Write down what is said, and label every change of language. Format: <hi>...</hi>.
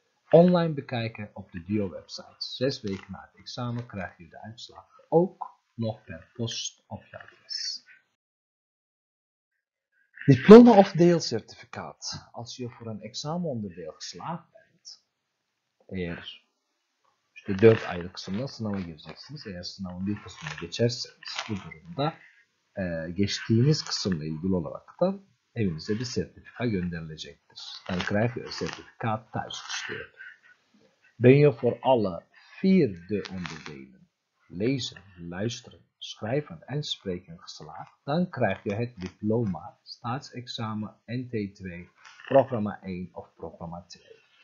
<nl>Online bekijken op de Duo-website. 6 weken na het examen krijg je de uitslag ook nog per post op je adres. Diploma of deelcertificaat. Als je voor een examenonderdeel geslaagd bent,</nl> <tr>eğer işte 4 aylık sınavda sınava gireceksiniz. Eğer sınavın bir kısmını geçerseniz bu durumda geçtiğiniz kısımla ilgili olarak da evinize bir sertifika gönderilecektir.</tr> <nl>Dan krijg je een certificaat thuisgestuurd. Ben je voor alle 4 de onderdelen, lezen, luisteren, schrijven en spreken geslaagd, dan krijg je het diploma, staatsexamen NT2, programma 1 of programma 2.</nl>